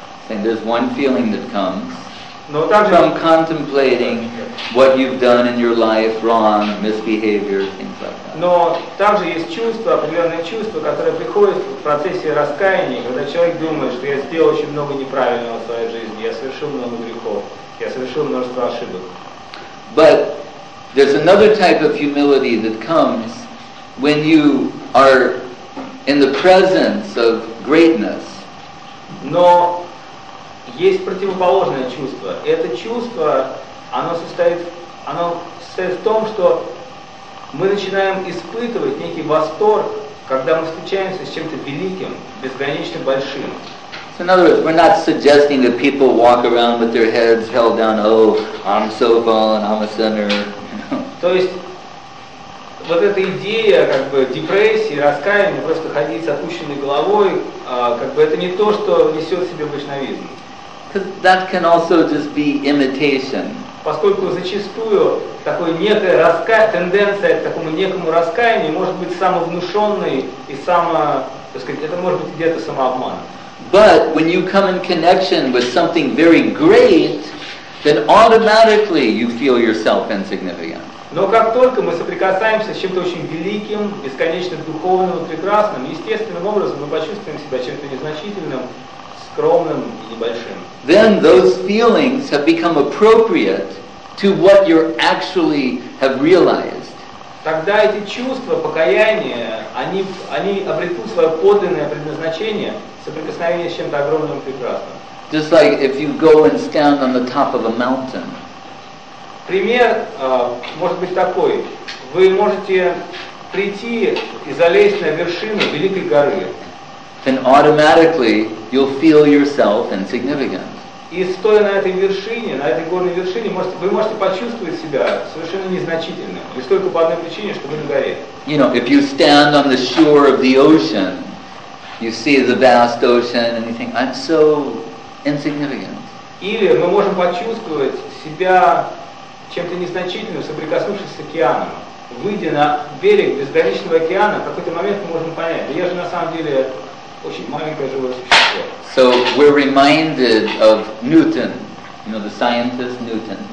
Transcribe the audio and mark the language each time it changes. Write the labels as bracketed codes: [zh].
[en] And there's one feeling that comes from contemplating what you've done in your life wrong, misbehavior, things like that. [ru] Но также есть чувство, определенное чувство, которое приходит в процессе раскаяния, когда человек думает, что я сделал очень много неправильного в своей жизни, я совершил много грехов, я совершил множество ошибок. [en] But there's another type of humility that comes when you are in the presence of greatness. [ru] Но есть противоположное чувство. И это чувство, оно состоит в том, что мы начинаем испытывать некий восторг, когда мы встречаемся с чем-то великим, безгранично большим. [en] So in other words, we're not suggesting that people walk around with their heads held down, oh, I'm so fallen, I'm a sinner. [ru] То есть, вот эта идея, как бы, депрессии, раскаяния, просто ходить с опущенной головой, как бы, это не то, что несет в себе вайшнавизм. [en] Because that can also just be imitation. [ru] Поскольку зачастую такое некое тенденция к такому некому раскаянию может быть самовнушенной и это может быть где-то самообман. [en] But when you come in connection with something very great, then automatically you feel yourself insignificant. [ru] Но как только мы соприкасаемся с чем-то очень великим, бесконечно духовным, прекрасным, естественным образом мы почувствуем себя чем-то незначительным, скромным и небольшим. [en] Then those feelings have become appropriate to what you actually have realized. [ru] Тогда эти чувства покаяния, они обретут свое подлинное предназначение в соприкосновении с чем-то огромным и прекрасным. [en] Just like if you go and stand on the top of a mountain. [ru] Пример может быть такой. Вы можете прийти и залезть на вершину великой горы. [en] And automatically you'll feel yourself insignificant. [ru] И стоя на этой вершине, на этой горной вершине, вы можете почувствовать себя совершенно незначительным. И только по одной причине, что вы на горе. [en] You know, if you stand on the shore of the ocean, you see the vast ocean, and you think, I'm so insignificant. [ru] Или мы можем почувствовать себя чем-то незначительным, соприкоснувшись с океаном. Выйдя на берег безграничного океана, в какой-то момент мы можем понять, да я же на самом деле... [en] So we're reminded of Newton, you know, the scientist Newton.